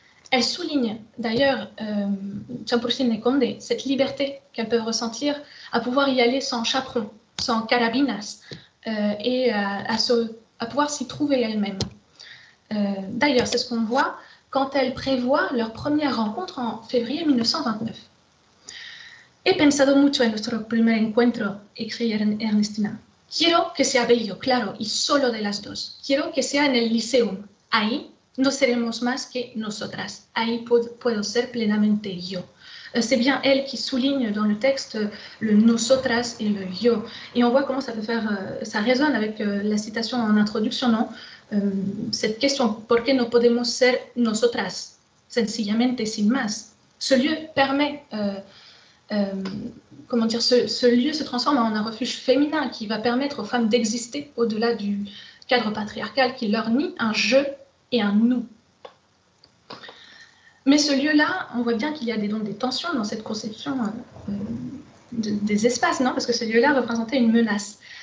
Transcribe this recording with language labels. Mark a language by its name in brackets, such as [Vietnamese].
[French] Elle souligne d'ailleurs, Tiempolsino et Condé, cette liberté qu'elles peuvent ressentir à pouvoir y aller sans chaperon, sans carabinas, et à pouvoir s'y trouver elles-mêmes. D'ailleurs, c'est ce qu'on voit quand elles prévoient leur première rencontre en février 1929. « [Spanish] He pensado mucho en nuestro primer encuentro [French] », écrit Ernestina. [Spanish] « Quiero que sea bello, claro, y solo de las dos. Quiero que sea en el liceum. Ahí no seremos más que nosotras. Ahí puedo ser plenamente yo. [French] » C'est bien elle qui souligne dans le texte le « nosotras » et le « yo ». Et on voit comment ça résonne avec la citation en introduction, non ? cette question [Spanish] « ¿Por qué no podemos ser nosotras sencillamente sin más ?» [French] Ce lieu permet, comment dire, ce lieu se transforme en un refuge féminin qui va permettre aux femmes d'exister au-delà du cadre patriarcal qui leur nie un « je » et un « nous ». Mais ce lieu-là, on voit bien qu'il y a des tensions dans cette conception des espaces, non ? Parce que ce lieu-là représentait une menace.